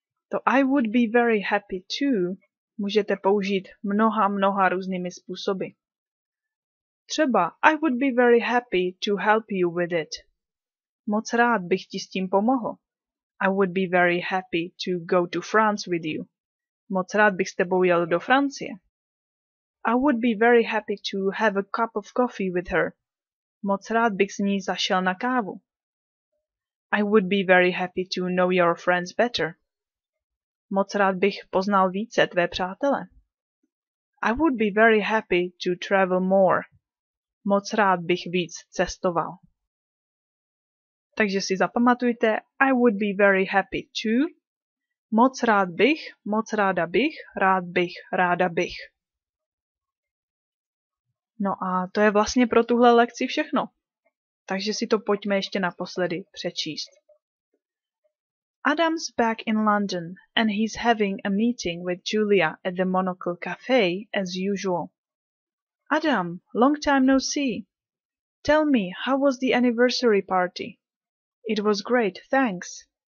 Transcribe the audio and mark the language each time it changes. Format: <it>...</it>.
<cs>To</cs> <en>I would be very happy to</en> <cs>můžete použít mnoha, mnoha různými způsoby. Třeba</cs> <en>I would be very happy to help you with it.</en> <cs>Moc rád bych ti s tím pomohl.</cs> <en>I would be very happy to go to France with you.</en> <cs>Moc rád bych s tebou jel do Francie.</cs> <en>I would be very happy to have a cup of coffee with her.</en> <cs>Moc rád bych s ní zašel na kávu.</cs> <en>I would be very happy to know your friends better.</en> <cs>Moc rád bych poznal více tvé přátele.</cs> <en>I would be very happy to travel more.</en> <cs>Moc rád bych víc cestoval. Takže si zapamatujte,</cs> <en>I would be very happy to.</en> <cs>Moc rád bych, moc ráda bych, rád bych, ráda bych. No a to je vlastně pro tuhle lekci všechno. Takže si to pojďme ještě naposledy přečíst.</cs> <en>Adam's back in London and he's having a meeting with Julia at the Monocle Cafe as usual. Adam, long time no see. Tell me, how was the anniversary party? It was great, thanks.</en>